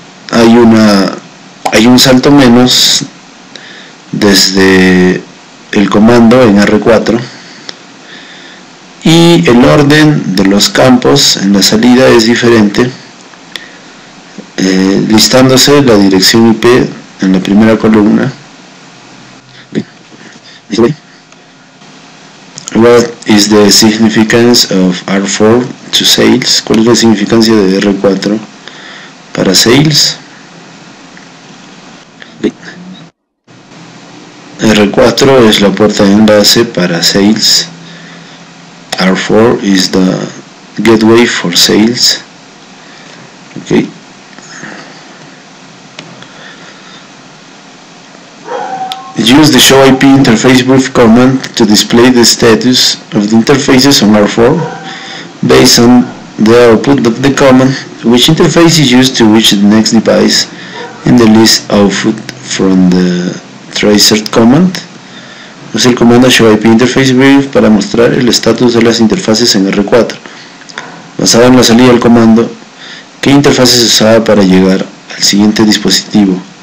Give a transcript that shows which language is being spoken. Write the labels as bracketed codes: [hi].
[es] Hay un salto menos desde el comando en R4. Y el orden de los campos en la salida es diferente. Listándose la dirección IP en la primera columna. [en] What is the significance of R4 to sales? [es] ¿Cuál es la significancia de R4 para sales? R4 es la puerta de enlace para sales. [en] R4 is the gateway for sales. Okay. Use the show IP interface brief command to display the status of the interfaces on R4 based on the output of the command, which interface is used to reach the next device in the list output from the tracer command. [es] Use el comando show IP interface brief para mostrar el estatus de las interfaces en R4. Basado en la salida del comando, ¿qué interfaz se usaba para llegar al siguiente dispositivo?